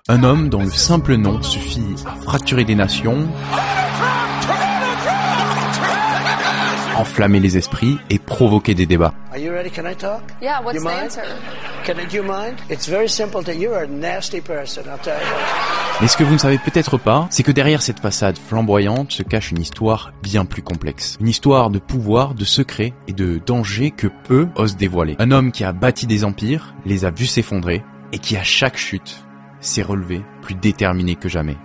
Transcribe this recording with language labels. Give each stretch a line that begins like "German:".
French: Un homme dont le simple nom suffit à fracturer des nations, enflammer les esprits et provoquer des débats.
English: Are you ready? Can I talk? Yeah, what's the answer? Do you mind? It's very simple that you are a nasty person, I'll tell you.
French: Mais ce que vous ne savez peut-être pas, c'est que derrière cette façade flamboyante se cache une histoire bien plus complexe. Une histoire de pouvoir, de secrets et de dangers que peu osent dévoiler. Un homme qui a bâti des empires, les a vus s'effondrer et qui à chaque chute s'est relevé plus déterminé que jamais.